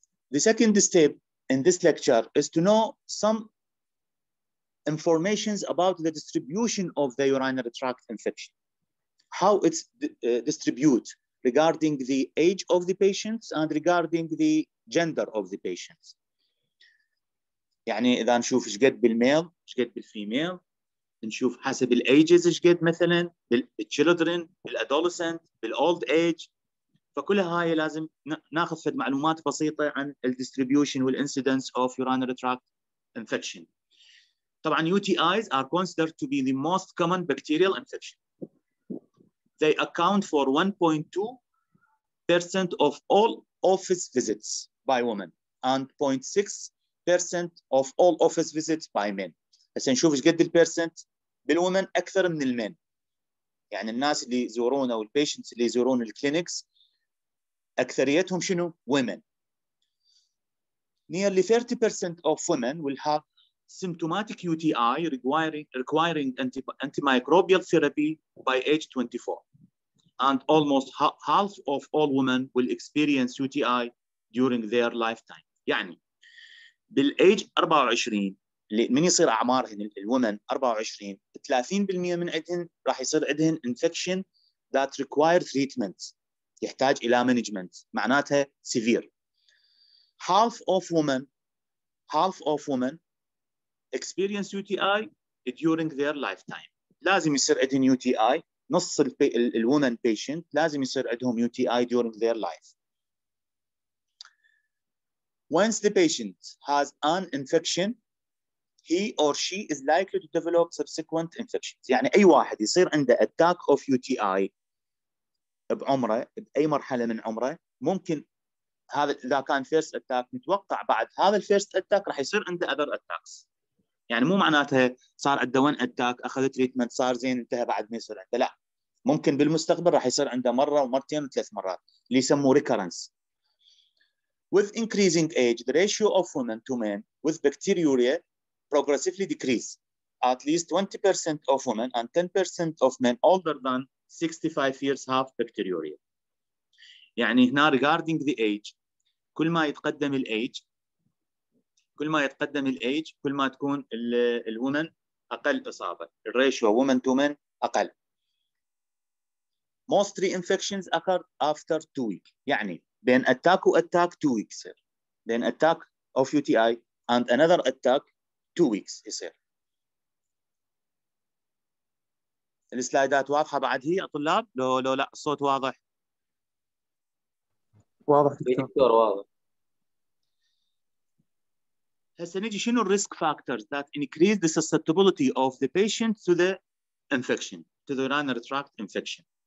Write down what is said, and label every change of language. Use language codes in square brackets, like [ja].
[en] The second step in this lecture is to know some informations about the distribution of the urinary tract infection, how it's distribute regarding the age of the patients and regarding the gender of the patients. [ar] يعني إذا نشوف إيش قد بالmale, إيش قد بالfemale, نشوف حسب الages إيش قد مثلاً بالchildren, بالadolescent, بالold age, فكل هاي لازم ناخذ معلومات بسيطة عن الdistribution وال [en] incidence of urinary tract infection. طبعاً UTIs are considered to be the most common bacterial infection. They account for 1.2% of all office visits by women and 0.6% of all office visits by men. [ar] هسه نشوف ايش قد البيرسنت بالومن اكثر من المن. يعني الناس اللي يزورون او البيشنتس اللي يزورون الكلينكس اكثريتهم شنو؟ women. [en] Nearly 30% of women will have symptomatic UTI requiring antimicrobial therapy by age 24. And almost half of all women will experience UTI during their lifetime. [ar] يعني بالage 24 من يصير أعمارهن الwomen 24 30% من عندهن راح يصير عندهن [en] infection that require treatment, [ar] يحتاج إلى management, معناتها severe. [en] Half of women experience UTI during their lifetime. [ar] لازم يصير عندهن UTI. نص الwoman patient لازم يصير عندهم UTI [en] during their life. Once the patient has an infection, he or she is likely to develop subsequent infections. [ar] يعني أي واحد يصير عنده [en] attack of UTI [ar] بعمره, بأي مرحلة من عمره, ممكن هذا إذا كان first attack, نتوقع بعد هذا first attack رح يصير عنده other attacks. يعني مو معناتها صار عنده one attack, أخذ treatment, صار زين, انتهى, بعد ما يصير عنده, لا. ممكن بالمستقبل راح يصير عنده مره ومرتين وثلاث مرات اللي يسموه ريكرنس. [en] With increasing age, the ratio of women to men with bacteriuria progressively decrease. At least 20% of women and 10% of men older than 65 years have bacteriuria. [ar] يعني هنا [en] regarding the age, [ar] كل ما يتقدم الايج, كل ما يتقدم الايج كل ما تكون الومن اقل اصابه, الراتيو [en] women to men [ar] اقل. [en] Most reinfections occur after 2 weeks. [ar] يعني بين [en] attack و attack 2 weeks. Then attack of UTI and another attack 2 weeks. [ar] يصير. السلايدات واضحة بعد هي طلاب؟ لو لا الصوت واضح. واضح دكتور واضح. هسه نجي شنو الريسك فاكتورز [en] that increase the susceptibility of the patient to the infection, to the urinary tract infection.